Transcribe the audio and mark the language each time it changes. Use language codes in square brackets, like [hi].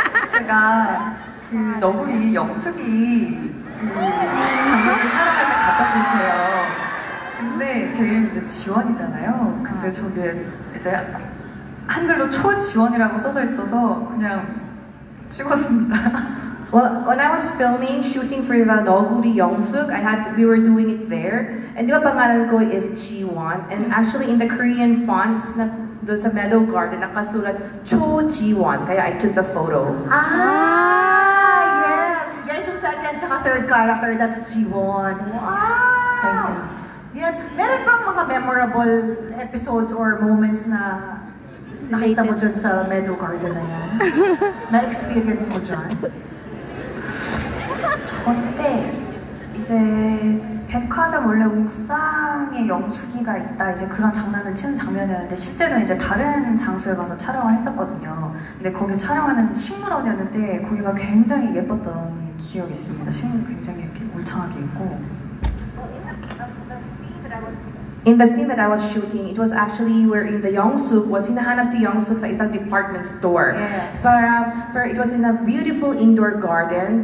[ko] 제가 너구리 영숙이 작년에 촬영할 때 갔던 곳이에요. 근데 제 이름 이제 지원이잖아요. 근데 저게 이제 한글로 초지원이라고 써져 있어서 그냥 찍었습니다. [en] Well, when I was filming, shooting for the 너구리 영숙, we were doing it there. [tl] And 'di ba pangalan ko is Jiwon. [en] And actually, in the Korean fonts, [tl] na doon sa Meadow Garden, nakasulat Cho Jiwon. Kaya [en] I took the photo. Ah, yes. You guys, yung second tsaka third character, that's Jiwon. Wow. Same, same. [tl] Yes. Meron bang mga memorable episodes or moments na nakita mo dyan sa Meadow Garden na yan? Na-experience mo dyan? [ko] 저 때 이제 백화점 원래 옥상에 영숙이가 있다 이제 그런 장난을 치는 장면이었는데 실제로 이제 다른 장소에 가서 촬영을 했었거든요. 근데 거기 촬영하는 식물원이었는데 거기가 굉장히 예뻤던 기억이 있습니다. 식물 굉장히 이렇게 울창하게 있고. [en] In the scene that I was shooting, it was actually where in the Yongsuk was in the Hanapsi Yongsuk, it's a department store. Yes. But it was in a beautiful indoor garden.